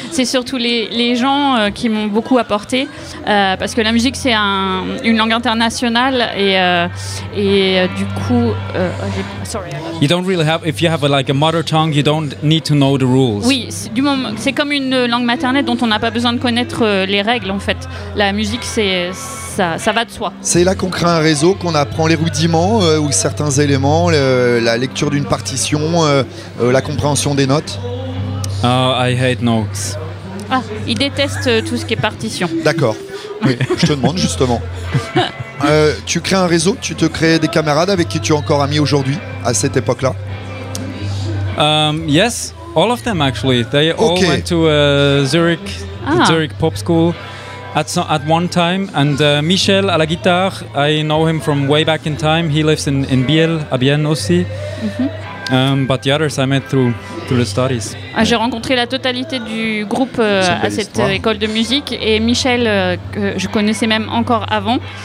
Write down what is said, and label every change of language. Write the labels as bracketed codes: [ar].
[fr] C'est surtout les gens qui m'ont beaucoup apporté parce que la musique c'est une langue internationale [en] You don't really have if you have like a mother tongue, you don't need to know the rules. [fr] Oui, c'est comme une langue maternelle dont on n'a pas besoin de connaître les règles en fait. La musique ça va de soi. C'est là qu'on crée un réseau, qu'on apprend les rudiments ou certains éléments, la lecture d'une partition, la compréhension des notes. [en] Oh, I hate notes. [fr] Ah, il déteste tout ce qui est partition. D'accord. Oui, je te demande justement. Tu crées un réseau, tu te crées des camarades avec qui tu es encore ami aujourd'hui, à cette époque-là. [en] Yes, all of them actually. They all went to Zurich, the Zurich Pop School at one time. And Michel [fr] à la guitare, [en] I know him from way back in time. He lives in Biel, [fr] à Bienne aussi. [en] Mm-hmm. But the others I met through the studies. [fr] Ah, j'ai rencontré la totalité du groupe à cette école de musique et Michel que je connaissais même encore avant.